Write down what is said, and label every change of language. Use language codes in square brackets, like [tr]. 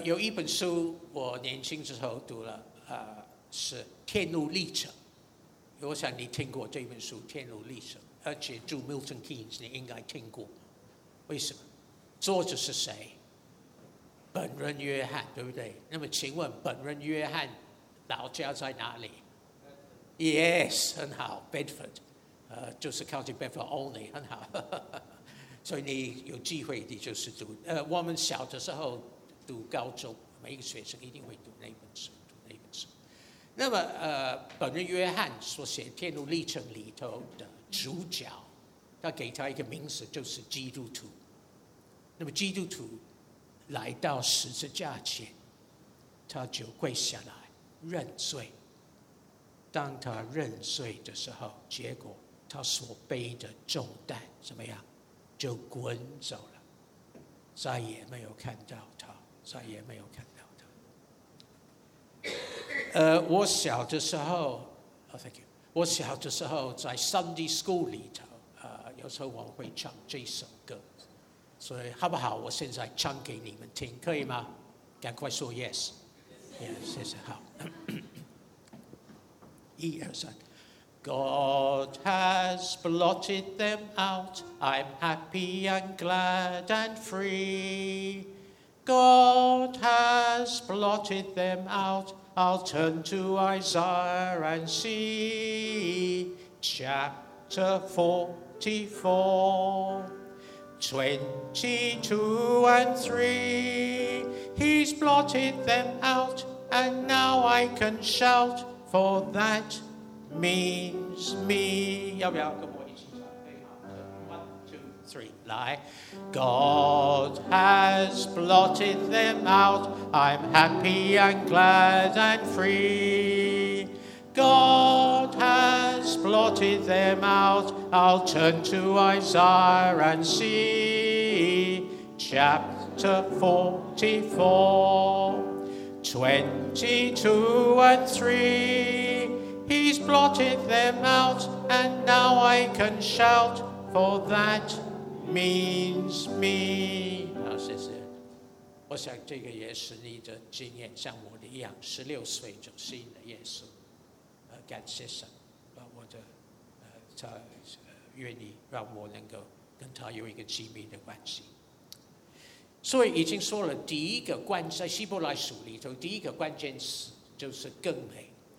[zh] 有一本书我年轻时候读了，是《天路历程》。我想你听过这本书《天路历程》，而且住 Milton Keynes 你应该听过。为什么？作者是谁？本人约翰，对不对？那么请问本人约翰老家在哪里？ Yes， 很好， Bedford， 就是 [en] County Bedford only， [zh] 很好。所以你有机会你就是读，我们小的时候读高中，每一个学生一定会读那本书，读那本书。那么本人约翰所写《天路历程》里头的主角，他给他一个名字，就是基督徒。那么基督徒来到十字架前，他就跪下来认罪。当他认罪的时候，结果他所背的重担怎么样？就滚走了，再也没有看到他，再也没有看到他。我小的时候、 [en] oh, thank you. [zh] 我小的时候在 Sunday School 里头、有时候我会唱这首歌，所以好不好我现在唱给你们听，可以吗？赶快说 yes。 [en] Yes, yes, [zh] 好。一二三。 [en] God has blotted them out. I'm happy and glad and free. God has blotted them out. I'll turn to Isaiah and see. Chapter 44:22-23. He's blotted them out. And now I can shout, for that means me. [zh] 要不要跟我一起唱？可以吗 ？1, 2, 3, 来。 [en] God has blotted them out. I'm happy and glad and free. God has blotted them out. I'll turn to Isaiah and see chapter 44:22-23. He's blotted them out, and now I can shout, for that means me. [zh] 好，谢谢。我想这个也是你的经验，像我的一样，十六岁就信了耶稣，感谢神，让我的他愿意让我能够跟他有一个亲密的关系。所以已经说了第一个关，在希伯来书里头第一个关键词就是更美。